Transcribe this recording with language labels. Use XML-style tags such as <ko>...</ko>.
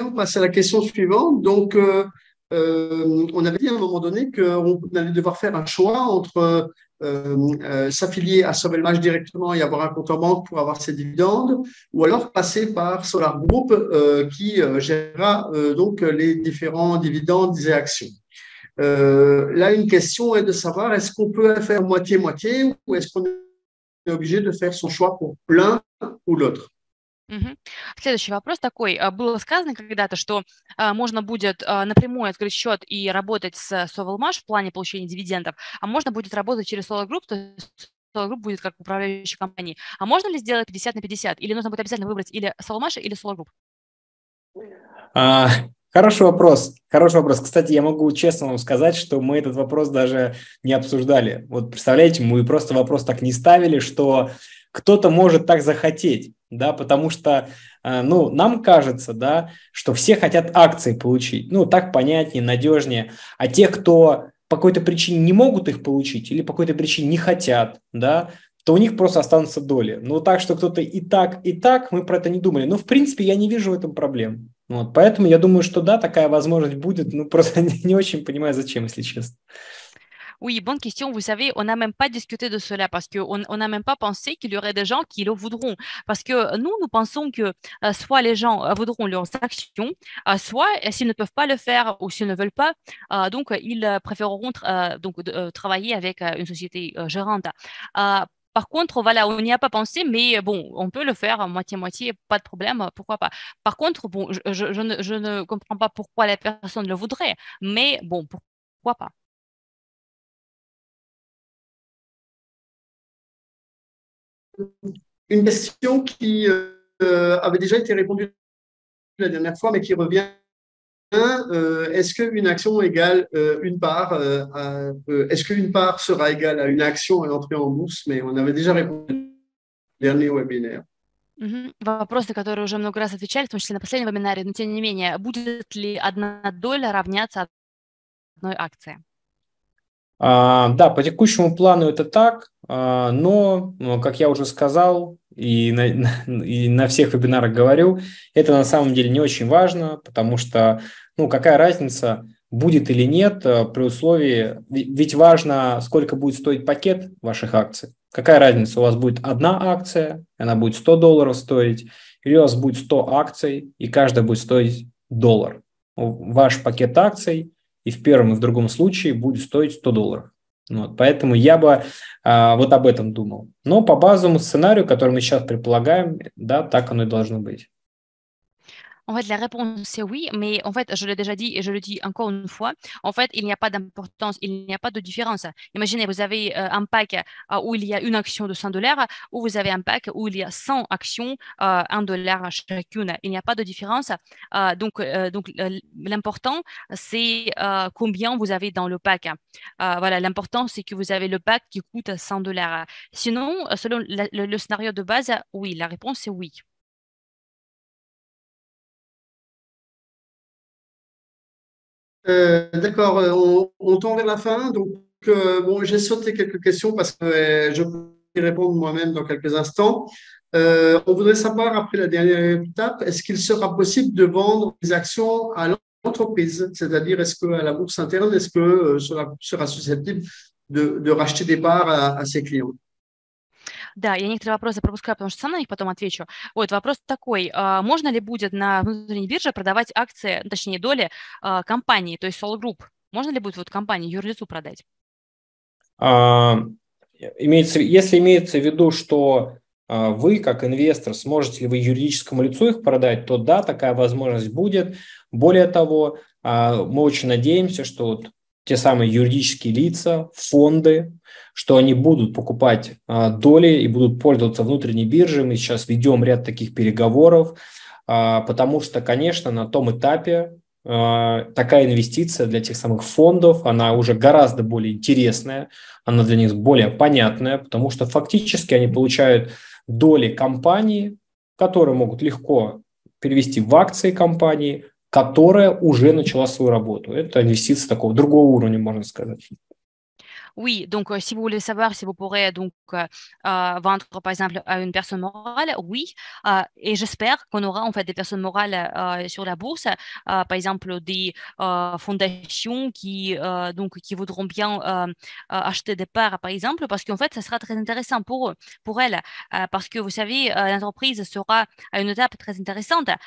<fr>On passe à la question suivante. Donc, on avait dit à un moment donné qu'on allait devoir faire un choix entre s'affilier à Sovelmash directement et avoir un compte en banque pour avoir ses dividendes, ou alors passer par Solar Group qui gérera donc les différents dividendes et actions. Là, une question est de savoir est-ce qu'on peut faire moitié-moitié ou est-ce qu'on est obligé de faire son choix pour l'un ou l'autre? Угу.</fr> <ru>Следующий вопрос такой. Было сказано когда-то, что можно будет напрямую открыть счет и работать с Sovelmash в плане получения дивидендов, а можно будет работать через Solar Group, то есть Solar Group будет как управляющая компания. А можно ли сделать 50 на 50? Или нужно будет обязательно выбрать или Solmash, или Solar Group? Хороший вопрос. Кстати, я могу честно вам сказать, что мы этот вопрос даже не обсуждали. Вот представляете, мы просто вопрос так не ставили, что кто-то может так захотеть, да, потому что, ну, нам кажется, да, что все хотят акции получить, ну, так понятнее, надежнее, а те, кто по какой-то причине не могут их получить или по какой-то причине не хотят, да, то у них просто останутся доли. Ну, так что кто-то и так, мы про это не думали. Ну, в принципе, я не вижу в этом проблем. Вот, поэтому я думаю, что да, такая возможность будет, ну, просто не очень понимаю, зачем, если честно.</ru> <fr>Oui, bonne question. Vous savez, on n'a même pas discuté de cela parce qu'on n'a même pas pensé qu'il y aurait des gens qui le voudront. Parce que nous pensons que soit les gens voudront leurs actions, soit s'ils ne peuvent pas le faire ou s'ils ne veulent pas, donc ils préféreront travailler avec une société gérante. Par contre, voilà, on n'y a pas pensé, mais bon, on peut le faire moitié-moitié, pas de problème, pourquoi pas. Par contre, bon, je ne comprends pas pourquoi la personne le voudrait, mais bon, pourquoi pas. Une question qui avait déjà été répondue la dernière fois, mais qui revient. Est-ce qu'une action égale une part est-ce qu'une part sera égale à une action à l'entrée en bourse? Mais on avait déjà répondu au dernier webinaire.</fr> <ru>Вопросы, которые уже много раз отвечали, в том числе на последнем вебинаре, но тем не менее, будет ли одна доля равняться одной акции? Да, по текущему плану это так, но, как я уже сказал и на всех вебинарах говорю, это на самом деле не очень важно, потому что, ну, какая разница, будет или нет, при условии, ведь важно, сколько будет стоить пакет ваших акций, какая разница, у вас будет одна акция, она будет $100 стоить, или у вас будет 100 акций, и каждая будет стоить доллар, ваш пакет акций, и в первом, и в другом случае будет стоить $100. Вот, поэтому я бы вот об этом думал. Но по базовому сценарию, который мы сейчас предполагаем, да, так оно и должно быть.</ru> <fr>En fait, la réponse c'est oui, mais en fait, je l'ai déjà dit et je le dis encore une fois, en fait, il n'y a pas d'importance, il n'y a pas de différence. Imaginez, vous avez un pack où il y a une action de $100 ou vous avez un pack où il y a 100 actions, $1 chacune. Il n'y a pas de différence. Donc l'important, c'est combien vous avez dans le pack. Voilà, l'important, c'est que vous avez le pack qui coûte $100. Sinon, selon le scénario de base, oui, la réponse c'est oui. D'accord, on tend vers la fin. Donc, bon, j'ai sauté quelques questions parce que je vais y répondre moi-même dans quelques instants. On voudrait savoir, après la dernière étape, est-ce qu'il sera possible de vendre des actions à l'entreprise? C'est-à-dire, est-ce qu'à la bourse interne, est-ce que cela sera susceptible de racheter des parts à ses clients?</fr> <ru>Да, я некоторые вопросы пропускаю, потому что сам на них потом отвечу. Вот вопрос такой, можно ли будет на внутренней бирже продавать акции, точнее доли компании, то есть Solar Group? Можно ли будет вот компании юрлицу продать? Если имеется в виду, что вы как инвестор сможете ли вы юридическому лицу их продать, то да, такая возможность будет. Более того, мы очень надеемся, что вот те самые юридические лица, фонды, что они будут покупать доли и будут пользоваться внутренней биржей. Мы сейчас ведем ряд таких переговоров, потому что, конечно, на том этапе такая инвестиция для тех самых фондов, она уже гораздо более интересная, она для них более понятная, потому что фактически они получают доли компании, которые могут легко перевести в акции компании, которая уже начала свою работу. Это инвестиция такого другого уровня, можно сказать.</ru> <fr>Oui, donc si vous voulez savoir si vous pourrez donc vendre par exemple à une personne morale, oui. Et j'espère qu'on aura en fait des personnes morales sur la bourse, par exemple des fondations qui voudront bien acheter des parts, par exemple, parce qu'en fait ça sera très intéressant pour eux, pour elles, parce que vous savez l'entreprise sera à une étape très intéressante.</fr>